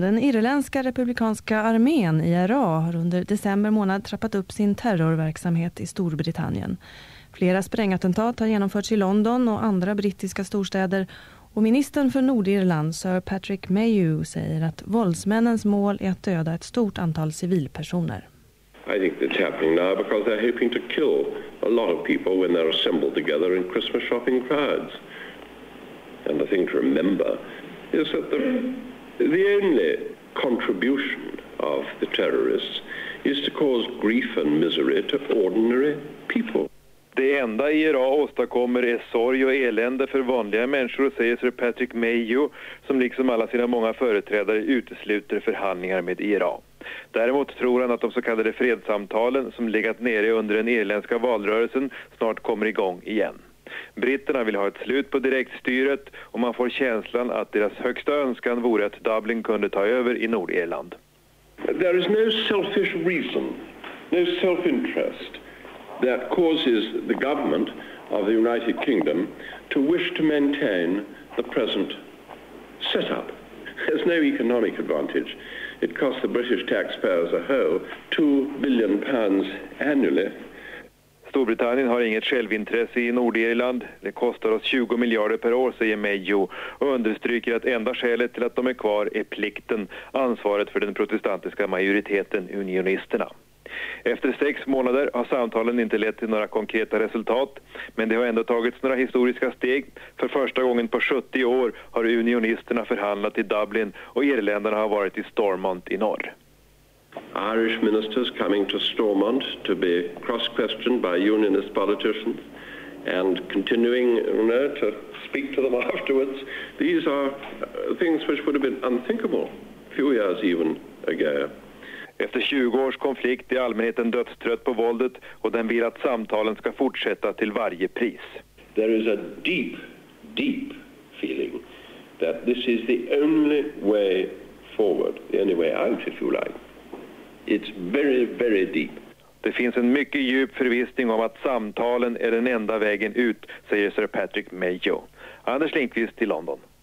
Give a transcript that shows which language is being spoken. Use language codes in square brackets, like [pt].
[sv] Den irländska republikanska armén, IRA, har under december månad trappat upp sin terrorverksamhet i Storbritannien. Flera sprängattentat har genomförts i London och andra brittiska storstäder. Och ministern för Nordirland, Sir Patrick Mayhew, säger att våldsmännens mål är att döda ett stort antal civilpersoner. [en] I think it's happening now because they're hoping to kill a lot of people when they're assembled together in Christmas shopping crowds. And the thing to remember is that the only contribution of the terrorists is to cause grief and misery to ordinary people. [sv] Det enda IRA åstadkommer är sorg och elände för vanliga människor, säger Sir Patrick Mayhew, som liksom alla sina många företrädare utesluter förhandlingar med IRA. Däremot tror han att de så kallade fredssamtalen som legat nere under den irländska valrörelsen snart kommer igång igen. Britterna vill ha ett slut på direktstyret och man får känslan att deras högsta önskan vore att Dublin kunde ta över i Nordirland. [en] There is no selfish reason, no self-interest that causes the government of the United Kingdom to wish to maintain the present setup. There's no economic advantage. It costs the British taxpayers a whole £2 billion annually. [sv] Storbritannien har inget självintresse i Nordirland. Det kostar oss 20 miljarder per år, säger Mayhew, och understryker att enda skälet till att de är kvar är plikten, ansvaret för den protestantiska majoriteten, unionisterna. Efter 6 månader har samtalen inte lett till några konkreta resultat, men det har ändå tagits några historiska steg. För första gången på 70 år har unionisterna förhandlat i Dublin och irländarna har varit i Stormont i norr. [en] Irish ministers coming to Stormont to be cross-questioned by unionist politicians and continuing, you know, to speak to them afterwards. These are things which would have been unthinkable a few years even ago. [sv] Efter 20 års konflikt är allmänheten dödstrött på våldet och den vill att samtalen ska fortsätta till varje pris. [en] There is a deep, deep feeling that this is the only way forward, the only way out if you like. It's very, very deep. [sv] Det finns en mycket djup förvissning om att samtalen är den enda vägen ut, säger Sir Patrick Mayhew. Anders Lindqvist i London.